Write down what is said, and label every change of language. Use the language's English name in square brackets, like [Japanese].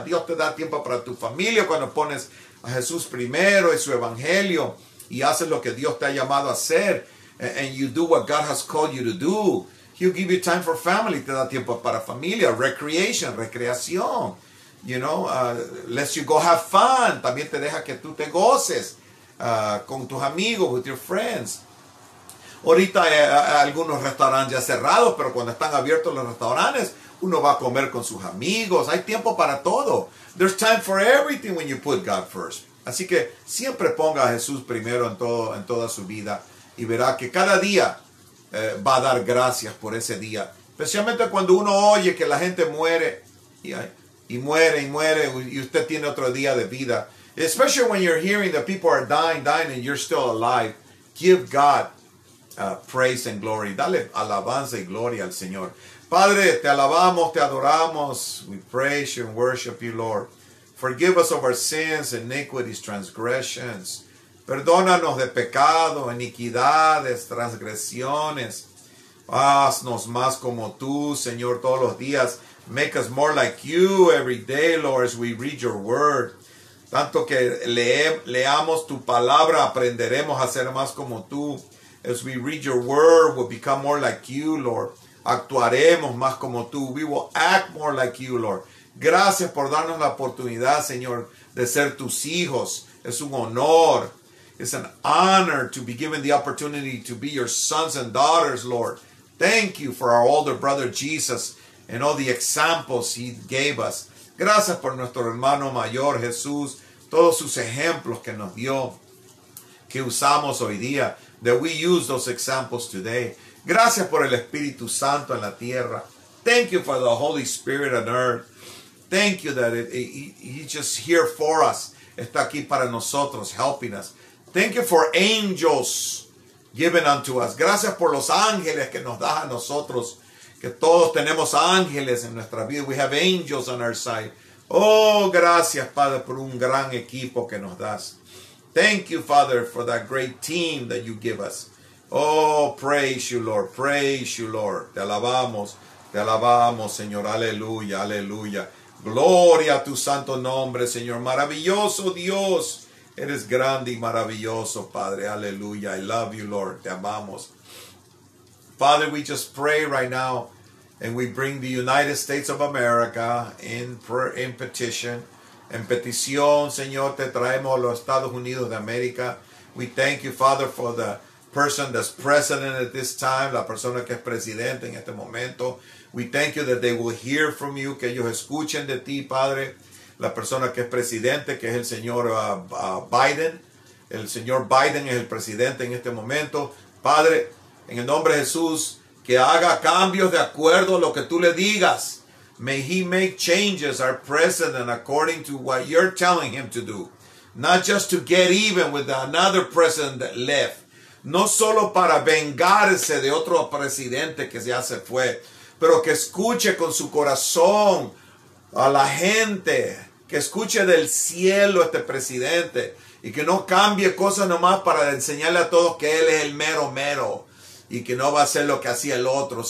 [Spanish] Dios te da tiempo para tu familia cuando pones a Jesús primero y su evangelio y haces lo que Dios te ha llamado a hacer. [English] And you do what God has called you to do. He'll give you time for family. [Spanish] Te da tiempo para familia, [English] recreation, [Spanish] recreación. [English] You know, lets you go have fun. [Spanish] También te deja que tú te goces con tus amigos, [English] with your friends. [Spanish] Ahorita algunos restaurantes ya cerrados, pero cuando están abiertos los restaurantes, uno va a comer con sus amigos. Hay tiempo para todo. [English] There's time for everything when you put God first. [Spanish] Así que siempre ponga a Jesús primero en todo, en toda su vida, y verá que cada día va a dar gracias por ese día. Especialmente cuando uno oye que la gente muere y muere y usted tiene otro día de vida. [English] Especially when you're hearing that people are dying and you're still alive. Give God praise and glory. [Spanish] Dale alabanza y gloria al Señor. Padre, te alabamos, te adoramos. [English] We praise you and worship you, Lord. Forgive us of our sins, iniquities, transgressions. [Spanish] Perdónanos de pecado, iniquidades, transgresiones. Haznos más como tú, Señor, todos los días. [English] Make us more like you every day, Lord, as we read your word. [Spanish] Tanto que leamos tu palabra, aprenderemos a ser más como tú. [English] As we read your word, we'll become more like you, Lord. [Spanish] Actuaremos más como tú. [English] We will act more like you, Lord. [Spanish] Gracias por darnos la oportunidad, Señor, de ser tus hijos. Es un honor. [English] It's an honor to be given the opportunity to be your sons and daughters, Lord. Thank you for our older brother Jesus and all the examples he gave us. [Spanish] Gracias por nuestro hermano mayor Jesús, todos sus ejemplos que nos dio, que usamos hoy día, [English] that we use those examples today. [Spanish] Gracias por el Espíritu Santo en la tierra. [English] Thank you for the Holy Spirit on earth. Thank you that he's just here for us. [Spanish] Está aquí para nosotros, [English] helping us. Thank you for angels given unto us. [Spanish] Gracias por los ángeles que nos das a nosotros. Que todos tenemos ángeles en nuestra vida. [English] We have angels on our side. [Spanish] Oh, gracias, Padre, por un gran equipo que nos das. [English] Thank you, Father, for that great team that you give us. Oh, praise you, Lord. Praise you, Lord. [Spanish] Te alabamos. Te alabamos, Señor. Aleluya, aleluya. Gloria a tu santo nombre, Señor. Maravilloso Dios. Eres grande y maravilloso, Padre. Aleluya. [English] I love you, Lord. [Spanish] Te amamos. [English] Father, we just pray right now and we bring the United States of America in prayer, in petition. [Spanish] En petición, Señor, te traemos a los Estados Unidos de América. [English] We thank you, Father, for the person that's president at this time, [Spanish] la persona que es presidente en este momento. [English] We thank you that they will hear from you, [Spanish] que ellos escuchen de ti, Padre. La persona que es presidente, que es el señor Biden. El señor Biden es el presidente en este momento. Padre, en el nombre de Jesús, que haga cambios de acuerdo a lo que tú le digas. [English] May he make changes, our president, according to what you're telling him to do. Not just to get even with another president that left. [Spanish] No solo para vengarse de otro presidente que ya se fue, pero que escuche con su corazón a la gente, que escuche del cielo a este presidente y que no cambie cosas nomás para enseñarle a todos que él es el mero mero y que no va a hacer lo que hacía el otro.